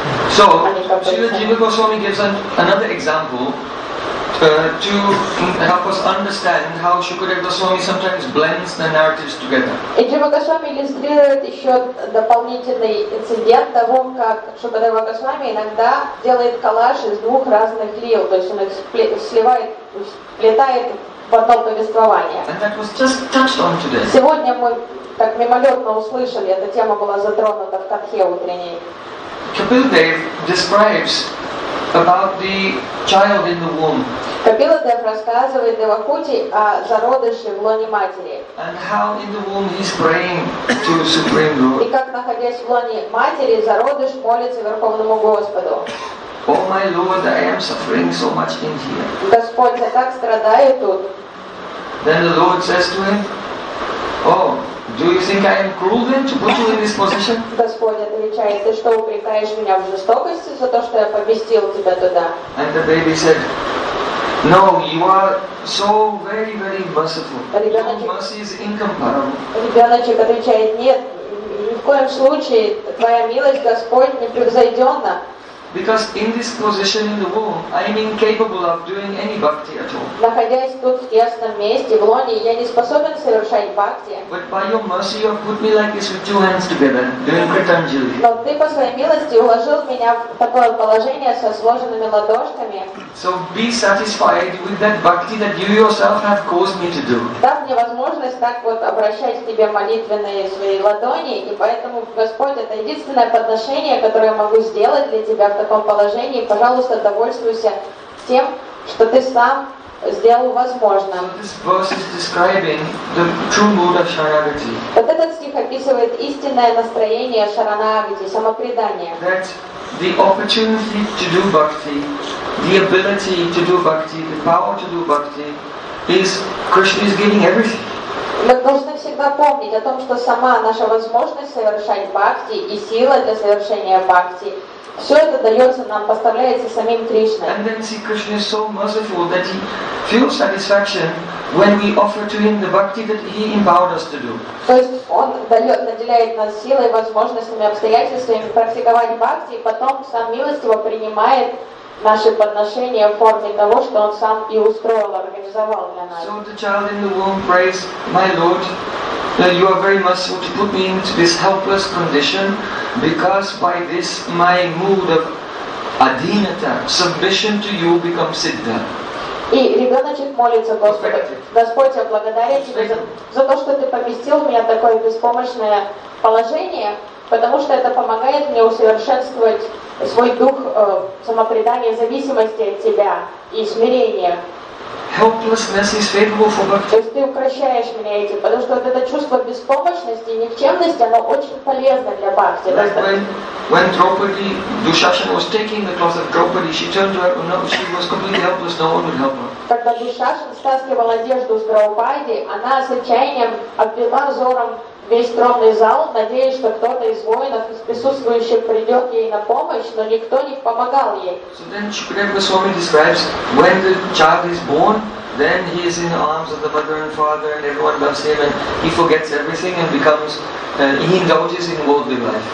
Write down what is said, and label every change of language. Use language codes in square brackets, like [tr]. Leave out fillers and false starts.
[en] So, Srila Jiva Goswami gives another example to help us understand how Shukadev Goswami sometimes blends the narratives together. [ru] И Джива Госвами иллюстрирует еще дополнительный инцидент того, как Шукадева Госвами иногда делает коллаж из двух разных лил, то есть он их сплетает в одно повествование. [en] And that was just touched on today. [ru] Сегодня мы так мимолетно услышали, эта тема была затронута в Катхе утренней. [en] Kapil Dev describes about the child in the womb. [ru] Kapila Dev рассказывает Девахути о зародыше в лоне матери. [en] And how in the womb he's praying to the Supreme Lord. [ru] И как, находясь в лоне матери, зародыш молится Верховному Господу. [en] Oh my Lord, I am suffering so much in here. [ru] Господь, я так страдаю тут. [en] Then the Lord says to him, oh, do you think I am cruel then to put you in this position? [ru] Господь отвечает, ты что, упрекаешь меня в жестокости за то, что я поместил тебя туда? [en] And the baby said, no, you are so very, very merciful. Your mercy is incomparable. [ru] Ребеночек отвечает, нет, ни в коем случае твоя милость, Господь, не превзойдена. [en] Because in this position in the womb, I am incapable of doing any bhakti at all. [ru] Находясь тут в тесном месте в лоне, я не способен совершать бхакти. [en] But by your mercy, you have put me like this with two hands together, doing kritanjali. [ru] Но ты по своей милости уложил меня в такое положение со сложенными ладошками. [en] So be satisfied with that bhakti that you yourself have caused me to do. [ru] Дай мне возможность так вот обращать к тебе молитвенные свои ладони, и поэтому, Господь, это единственное подношение, которое я могу сделать для тебя. В таком положении, пожалуйста, довольствуйся тем, что ты сам сделал возможным. Вот этот стих описывает истинное настроение шаранагати, самопредание. [en] The opportunity to do bhakti, the ability to do bhakti, the power to do bhakti, is Krishna is giving everything. [ru] Мы должны всегда помнить о том, что сама наша возможность совершать бхакти и сила для совершения бхакти. Все это дается нам, поставляется самим Кришной. [en] And then see, Krishna is so merciful that he feels satisfaction when we offer to him the bhakti that he empowered us to do. [ru] То есть он наделяет нас силой, возможностями, обстоятельствами практиковать бхакти, и потом сам милостиво принимает наши подношения в форме того, что он сам и устроил, организовал для нас. [en] So the child in the womb prays, my Lord, that you are very merciful to put me into this helpless condition, because by this my mood of adhinata, submission to you, becomes siddha. [ru] И ребеночек молится Господу, Господь, я благодарю тебя за то, что ты поместил меня в такое беспомощное положение, потому что это помогает мне усовершенствовать свой дух самопредания, зависимости от тебя и смирения. [en] Helplessness is favorable for bhakti. [ru] То есть ты укрощаешь меня этим, потому что вот это чувство беспомощности и никчемности, оно очень полезно для бхакти. [en] When Draupadi, Dushasana was taking the clothes of Draupadi, she turned to her, no, she was completely helpless, no one would help her. [ru] Когда Душашана стаскивала одежду с Драупади, она с отчаянием обвела взором весь тронный зал, надеясь, что кто-то из воинов, из присутствующих, придет ей на помощь, но никто не помогал ей. [en] So then Shukadeva Swami describes, when the child is born, then he is in the arms of the mother and father, and everyone loves him, and he forgets everything and becomes, he indulges in worldly life.